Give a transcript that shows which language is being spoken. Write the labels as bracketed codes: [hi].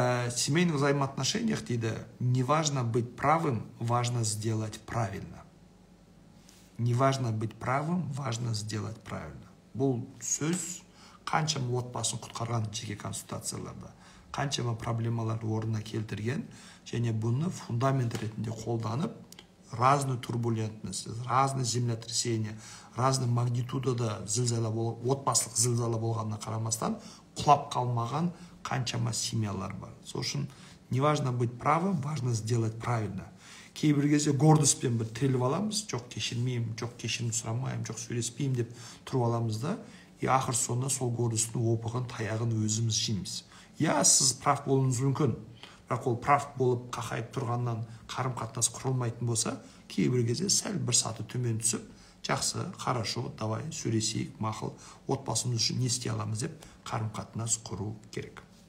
[ru] Семейных взаимоотношениях дейді, не важно быть правым, важно сделать правильно. Не важно быть правым, важно сделать правильно. [kk] Бұл сөз қаншама отбасын құтқарған жеке консультацияларда, қаншама проблемаларды орнына келтірген, және бұны фундамент ретінде қолданып, [ru] разный турбулентность, разный землетрясение, [kk] разный магнитудада зілзала болған, отбасылық зілзала болғанына қарамастан, құлап қалмаған қаншама семьялар бар. Сол үшін [ru] не важно быть правым, важно сделать правильно. [kk] Кейбір кезде гордыспен бір тіліп аламыз, жоқ кешірмеймін, жоқ кешірім сұрамаймын, жоқ сөйлеспеймін деп тұрып аламыз да, и ақыр соңында сол гордыстың опығын, таяғын өзіміз жейміз. Я, сіз прав болуыңыз мүмкін, бірақ ол прав болып қақайып тұрғаннан қарым-қатынас құрылмайтын болса, кейбір кезде сәл бір саты төмен түсіп, жақсы, [ru] хорошо, давай [kk] сөйлесейік, мақыл, отбасымыз үшін не істей аламыз деп қарым-қатынас құру керек.